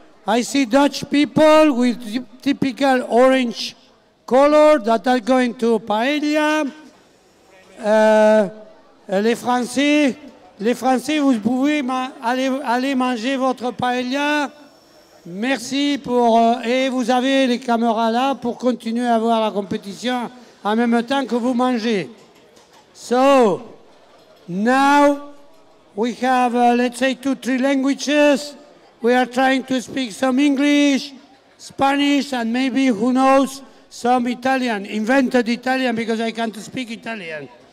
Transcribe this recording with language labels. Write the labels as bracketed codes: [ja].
[en] I see Dutch people with typical orange color that are going to paella. [fr] Les Français, vous pouvez aller manger votre paella. Merci pour... Et vous avez les caméras là pour continuer à voir la compétition en même temps que vous mangez. [en] So, now We have, let's say, two, three languages. We are trying to speak some English, Spanish, and maybe, who knows, some Italian, invented Italian, because I can't speak Italian.